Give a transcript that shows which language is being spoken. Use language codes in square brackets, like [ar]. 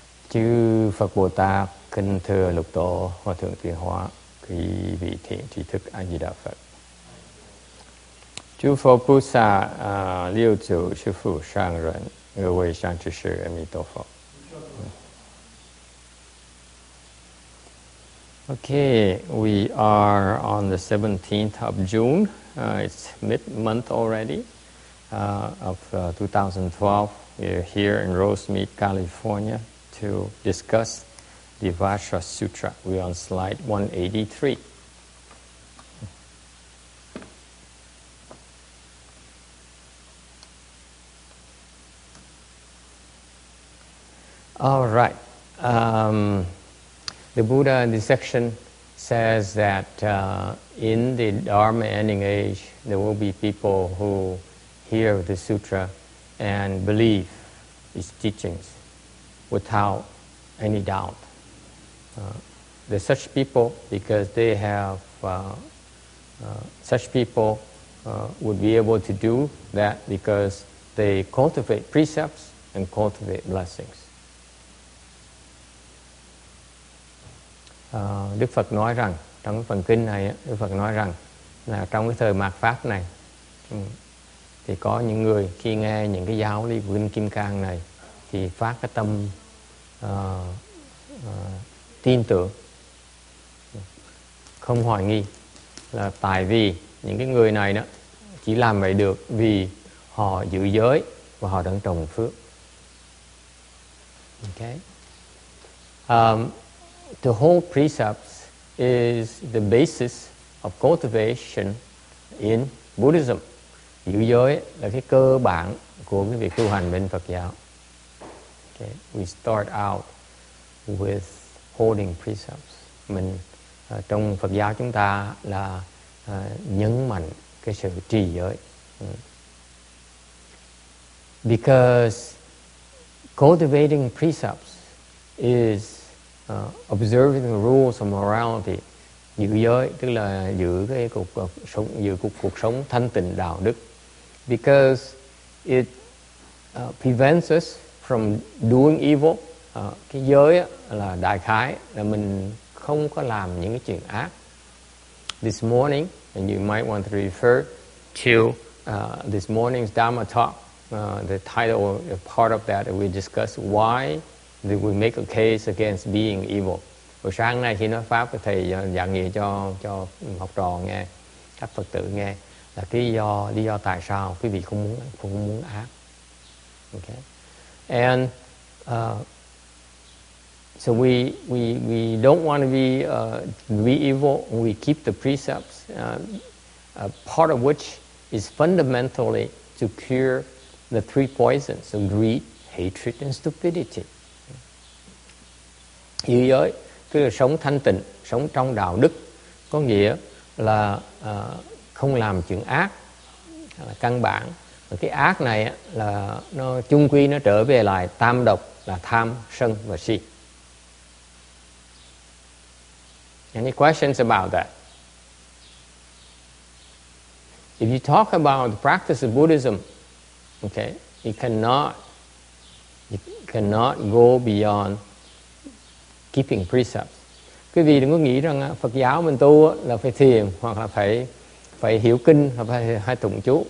[vi] Chư Phật Bồ Tát, kính thưa Lục Tổ, Hòa Thượng Tuyên Hóa, quý vị thiện trí thức A Di Đà Phật. Chư Phật Bồ Tát, Liêu Chủ, Sư Phụ Sang Rận, Ngư Vệ Sang Trí Sư, A Di Đà Phật. [en] Okay, we are on the 17th of June. It's mid-month already of 2012. We're here in Rosemead, California, to discuss the Vajra Sutra. We're on slide 183. All right. The Buddha in this section says that in the Dharma ending age, there will be people who hear the sutra and believe its teachings without any doubt. There's such people because they have, such people would be able to do that because they cultivate precepts and cultivate blessings. [vi] Đức Phật nói rằng, trong phần kinh này, Đức Phật nói rằng là trong cái thời mạt pháp này thì có những người khi nghe những cái giáo lý của Kinh Kim Cang này thì phát cái tâm tin tưởng, không hoài nghi, là tại vì những cái người này đó chỉ làm vậy được vì họ giữ giới và họ đang trồng phước. [en] Okay. The whole precepts is the basis of cultivation in Buddhism. [vi] Giữ giới là cái cơ bản của cái việc tu hành bên Phật giáo. [en] Okay. We start out with holding precepts. [vi] Mình trong Phật giáo chúng ta là nhấn mạnh cái sự trì giới. [en] Because cultivating precepts is observing the rules of morality. [vi] Giữ giới tức là giữ cái cuộc sống, giữ cuộc sống thanh tịnh đạo đức. [en] Because it prevents us from doing evil. [vi] Cái giới là đại khái là mình không có làm những cái chuyện ác. [en] This morning, and you might want to refer to this morning's Dharma talk, the title or part of that we discussed, why do we make a case against being evil. [vi] Buổi sáng nay khi nói pháp, thầy giảng nghĩa cho học trò nghe, các Phật tử nghe, là cái lý do tại sao quý vị không muốn ác. [en] Okay. And so we don't want to be evil. We keep the precepts, part of which is fundamentally to cure the three poisons: so greed, hatred, and stupidity. [vi] Như giới cứ sống thanh tịnh, sống trong đạo đức, có nghĩa là không làm chuyện ác là căn bản. Và cái ác này là nó chung quy nó trở về lại tam độc là tham, sân và si. [en] Any questions about that? If you talk about the practice of Buddhism, okay, you cannot go beyond keeping precepts. [vi] Quý vị đừng có nghĩ rằng Phật giáo mình tu là phải thiền hoặc là phải hiểu kinh hoặc là phải tụng chú.